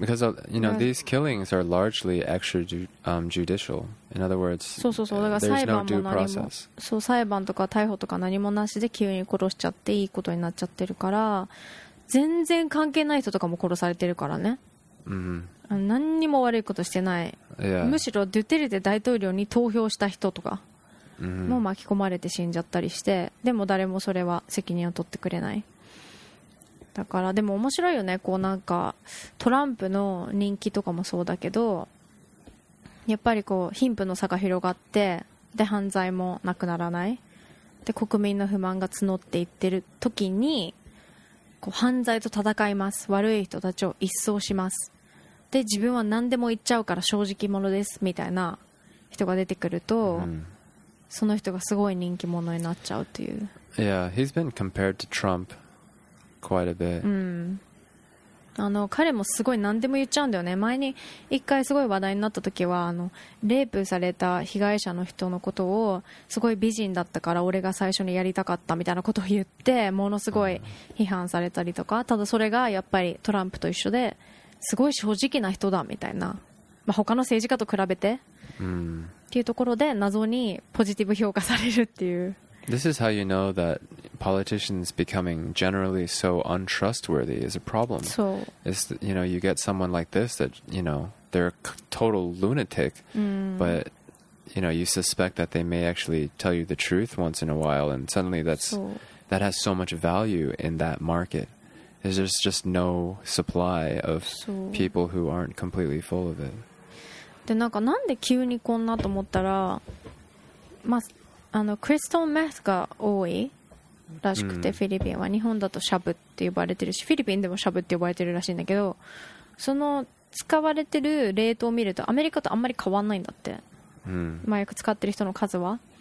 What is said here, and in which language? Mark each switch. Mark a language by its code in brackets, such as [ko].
[en] Because, you know, these killings are largely extrajudicial. In other words, there's no due process. [ja] そう、裁判とか逮捕とか何もなしで急に殺しちゃっていいことになっちゃってるから、全然関係ない人とかも殺されてるからね。 Mm-hmm. 何にも悪いことしてない。 Yeah. むしろドゥテルテ大統領に投票した人とかも巻き込まれて死んじゃったりして、でも誰もそれは責任を取ってくれない。だからでも面白いよね、こうなんかトランプの人気とかもそうだけど、やっぱりこう貧富の差が広がって、で犯罪もなくならない、で国民の不満が募っていってる時に、こう犯罪と戦います、悪い人たちを一掃します、で自分は何でも言っちゃうから正直者ですみたいな人が出てくると、その人がすごい人気者になっちゃうっていう。 [en] Yeah, he's been compared to TrumpQuite a bit. [ja] あの彼もすごい何でも言っちゃうんだよね。前に一回すごい話題になった時は、あのレイプされた被害者の人のことをすごい美人だったから俺が最初にやりたかったみたいなことを言って、ものすごい批判されたりとか、ただそれがやっぱりトランプと一緒ですごい正直な人だみたいな、まあ、他の政治家と比べて、っていうところで謎にポジティブ評価されるっていう。 [en] This is how you know that politicians becoming generally so untrustworthy is a problem. So, is, you know, you get someone like this that, you know, they're a total lunatic, but, you know, you suspect that they may actually tell you the truth once in a while, and suddenly that's, that has so much value in that market. There's just no supply of people who aren't completely full of it. [ja] で、なんかなんで急にこんなと思ったら、まあ、あのクリストンメスが多いらしくて、フィリピンは日本だとシャブって呼ばれてるし、フィリピンでもシャブって呼ばれてるらしいんだけど、その使われてるレートを見るとアメリカとあんまり変わんないんだって、麻薬使ってる人の数は。